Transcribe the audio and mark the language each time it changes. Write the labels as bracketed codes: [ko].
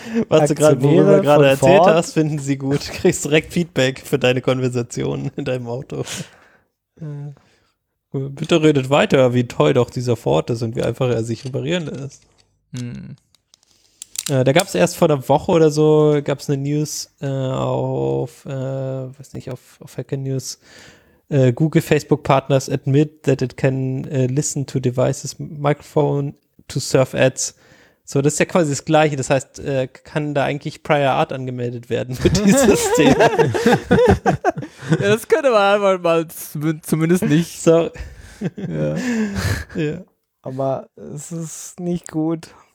[de] Was Aktionäre du gerade erzählt Ford hast, finden sie gut. Du kriegst direkt Feedback für deine Konversation in deinem Auto. Bitte redet weiter, wie toll doch dieser Ford ist und wie einfach er sich reparieren lässt. Da gab es erst vor einer Woche oder so, gab es eine News auf Hacker News. [en] Google Facebook Partners admit that it can listen to devices microphone to serve ads. [de] So, das ist ja quasi das Gleiche. Das heißt, kann da eigentlich Prior Art angemeldet werden für dieses Thema? Ja, das könnte man einfach mal zumindest nicht. Sorry. Ja. Ja. Aber es ist nicht gut.